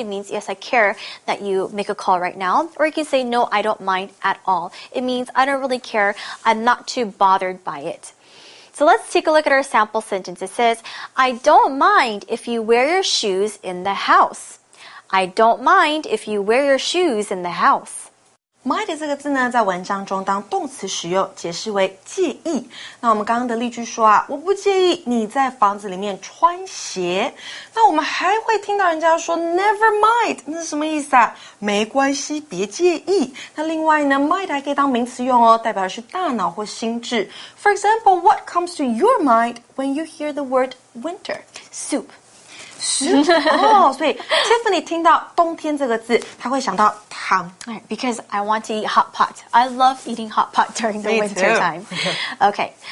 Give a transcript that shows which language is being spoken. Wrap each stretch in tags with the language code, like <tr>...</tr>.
<en>It means, yes, I care that you make a call right now. Or you can say, no, I don't mind at all. It means I don't really care. I'm not too bothered by it. So let's take a look at our sample sentence. It says, I don't mind if you wear your shoes in the house. I don't mind if you wear your shoes in the house.</en> <zh>Mind 这个字呢，在文章中当动词使用，解释为介意。那我们刚刚的例句说啊，我不介意你在房子里面穿鞋。那我们还会听到人家说</zh> <en>never mind，</en> <zh>那是什么意思啊？没关系，别介意。那另外呢 ，mind 还可以当名词用哦，代表的是大脑或心智。</zh> <en>For example, what comes to your mind when you hear the word winter? Soup. Soup. Oh, so</en> <zh>Tiffany 听到冬天这个字，她会想到汤</zh> <en>All right, because I want to eat hot pot. I love eating hot pot during the winter time. Okay.</en>